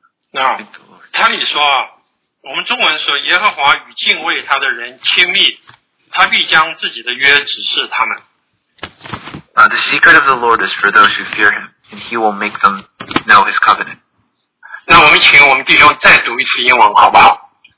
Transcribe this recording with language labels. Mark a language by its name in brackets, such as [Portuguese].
[Chinese] 那他里说，我们中文说，耶和华与敬畏他的人亲密，他必将自己的约指示他们。 [English] The secret of the Lord is for those who fear him, and he will make them know his covenant. [Chinese] 那我们请我们弟兄再读一次英文，好不好？